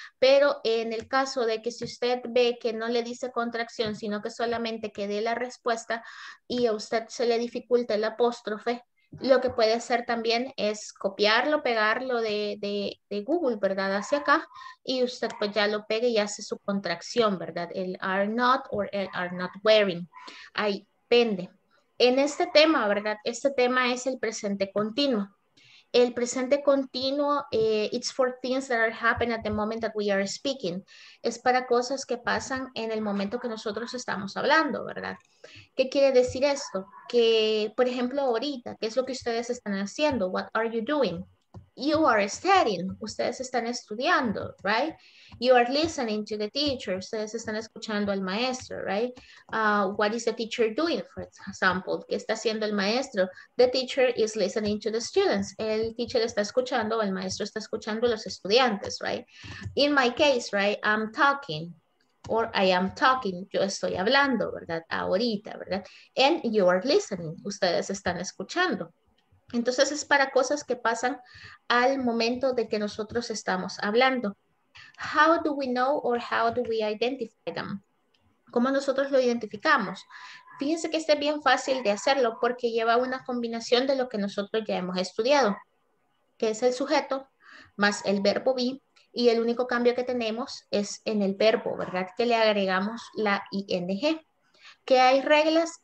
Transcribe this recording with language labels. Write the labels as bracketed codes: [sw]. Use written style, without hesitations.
[es] Pero en el caso de que si usted ve que no le dice contracción, sino que solamente que dé la respuesta y a usted se le dificulta el apóstrofe, lo que puede hacer también es copiarlo, pegarlo de Google, ¿verdad? Hacia acá, y usted pues ya lo pegue y hace su contracción, ¿verdad? El are not o el are not wearing. Ahí, pende. En este tema, ¿verdad? Este tema es el presente continuo. El presente continuo, [en] it's for things that are happening at the moment that we are speaking. [es] Es para cosas que pasan en el momento que nosotros estamos hablando, ¿verdad? ¿Qué quiere decir esto? Que, por ejemplo, ahorita, ¿qué es lo que ustedes están haciendo? [en] What are you doing? You are studying. [es] Ustedes están estudiando, [en] right? You are listening to the teacher. [es] Ustedes están escuchando al maestro, [en] right? What is the teacher doing, for example? [es] ¿Qué está haciendo el maestro? [en] The teacher is listening to the students. [es] El teacher está escuchando, el maestro está escuchando a los estudiantes, right? [en] In my case, right, I'm talking. Or I am talking. [es] Yo estoy hablando, ¿verdad? Ahorita, ¿verdad? [en] And you are listening. [es] Ustedes están escuchando. Entonces es para cosas que pasan al momento de que nosotros estamos hablando. [en] How do we know or how do we identify them? [es] ¿Cómo nosotros lo identificamos? Fíjense que este es bien fácil de hacerlo porque lleva una combinación de lo que nosotros ya hemos estudiado, que es el sujeto más el verbo be, y el único cambio que tenemos es en el verbo, ¿verdad? Que le agregamos la ing. ¿Que hay reglas?